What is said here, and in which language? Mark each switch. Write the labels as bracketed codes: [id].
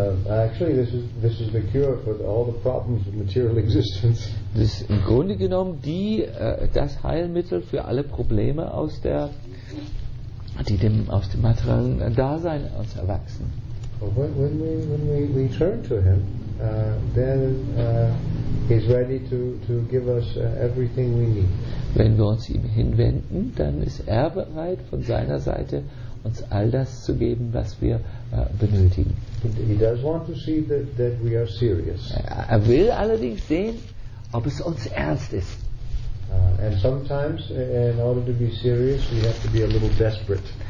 [en] Actually, this is the cure for all the problems of material existence. [de] Das ist im Grunde genommen das Heilmittel für alle Probleme aus dem materiellen Dasein aus erwachsen. [en] When we turn to him, then he's ready to give us everything we need. [de] Wenn wir uns ihm hinwenden, dann ist er bereit von seiner Seite uns all das zu geben, was wir benötigen. [en] He does want to see that we are serious. [de] Er will allerdings sehen, ob es uns ernst ist. [en] And sometimes, in order to be serious, we have to be a little desperate.